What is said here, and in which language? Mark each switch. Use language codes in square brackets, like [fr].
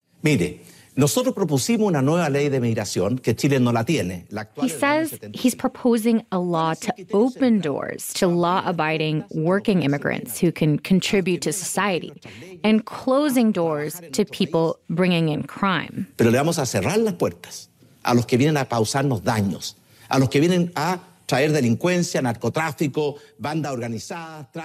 [es] Mire, nosotros propusimos una nueva ley de migración que Chile no la tiene. [en] He says he's proposing a law to open doors to law-abiding working immigrants who can contribute to society and closing doors to people bringing in crime. [es] Pero le vamos a cerrar las puertas a los que vienen a causarnos daños, a los que vienen a traer delincuencia, narcotráfico, banda organizada.